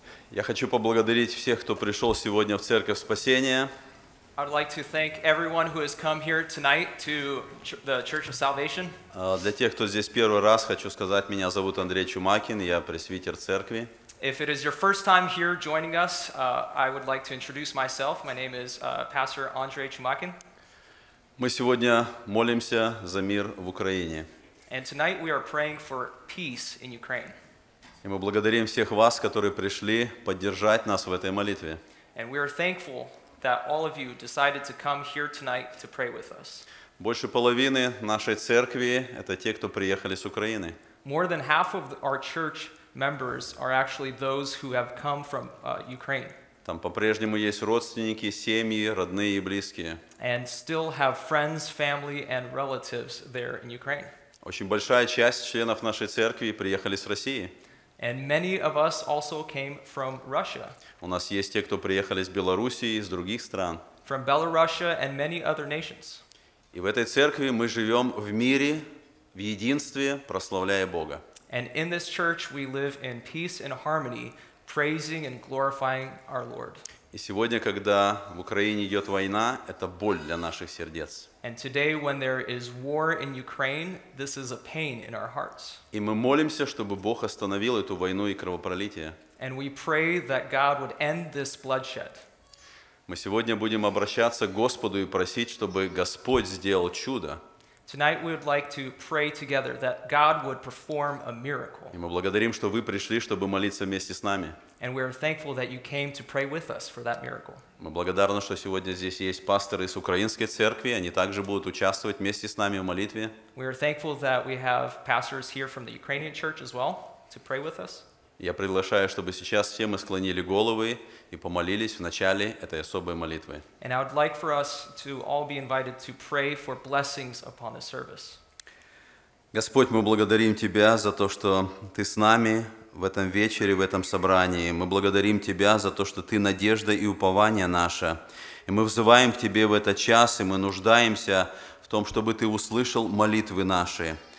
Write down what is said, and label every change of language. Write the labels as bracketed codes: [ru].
[ru] Я хочу поблагодарить всех, кто пришел сегодня в Церковь Спасения. [en] I'd like to thank everyone who has come here tonight to the Church of Salvation. [ru] Для тех, кто здесь первый раз, хочу сказать, меня зовут Андрей Чумакин, я пресвитер церкви. [en] If it is your first time here joining us, I would like to introduce myself. My name is Pastor Andrei Chumakin. [ru] Мы сегодня молимся за мир в Украине. [en] And tonight we are praying for peace in Ukraine. [ru] И мы благодарим всех вас, которые пришли поддержать нас в этой молитве. [en] And we are thankful that all of you decided to come here tonight to pray with us. [ru] Больше половины нашей церкви – это те, кто приехали с Украины. [en] More than half of our church members are actually those who have come from Ukraine. [ru] Там по-прежнему есть родственники, семьи, родные и близкие. [en] And still have friends, family, and relatives there in Ukraine. [ru] Очень большая часть членов нашей церкви приехали с России. [en] And many of us also came from Russia. [ru] У нас есть те, кто приехали из Белоруссии, из других стран. [en] From Belarusia and many other nations. [ru] И в этой церкви мы живем в мире, в единстве, прославляя Бога. [en] And in this church we live in peace and harmony, praising and glorifying our Lord. [ru] И сегодня, когда в Украине идет война, это боль для наших сердец. [en] And today, when there is war in Ukraine, this is a pain in our hearts. [ru] И мы молимся, чтобы Бог остановил эту войну и кровопролитие. [en] And we pray that God would end this bloodshed. [ru] Мы сегодня будем обращаться к Господу и просить, чтобы Господь сделал чудо. [en] Tonight we would like to pray together that God would perform a miracle. [ru] И мы благодарим, что вы пришли, чтобы молиться вместе с нами. [en] And we are thankful that you came to pray with us for that miracle. [ru] Мы благодарны, что сегодня здесь есть пасторы из украинской церкви, они также будут участвовать вместе с нами в молитве. [en] We are thankful that we have pastors here from the Ukrainian church as well to pray with us. [ru] Я приглашаю, чтобы сейчас все мы склонили головы и помолились в начале этой особой молитвы. [en] And I would like for us to all be invited to pray for blessings upon the service. [ru] Господь, мы благодарим Тебя за то, что Ты с нами в этом вечере, в этом собрании. Мы благодарим Тебя за то, что Ты надежда и упование наше. И мы взываем к Тебе в этот час, и мы нуждаемся в том, чтобы Ты услышал молитвы наши.